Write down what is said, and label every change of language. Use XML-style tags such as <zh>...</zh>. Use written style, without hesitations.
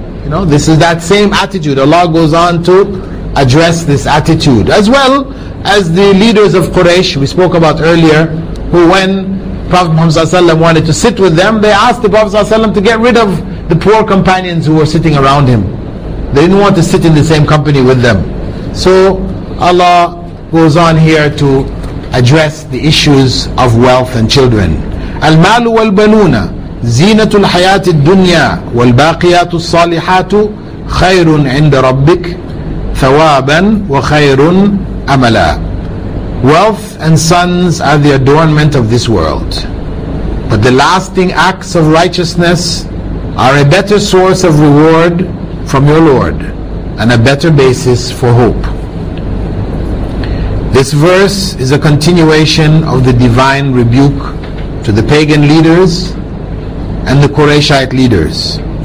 <en>You know, this is that same attitude. Allah goes on to address this attitude, as well as the leaders of Quraysh we spoke about earlier, who when Prophet Muhammad ﷺ wanted to sit with them, they asked the Prophet ﷺ to get rid of the poor companions who were sitting around him. They didn't want to sit in the same company with them. So Allah goes on here to address the issues of wealth and children.</en> <ar>Al-malu wal-banuna زينة الحياة الدنيا والباقيات الصالحات خير عند ربك ثوابا وخير أملا.</ar> <en>Wealth and sons are the adornment of this world, but the lasting acts of righteousness are a better source of reward from your Lord and a better basis for hope. This verse is a continuation of the divine rebuke to the pagan leaders and the Qurayshite leaders.</en>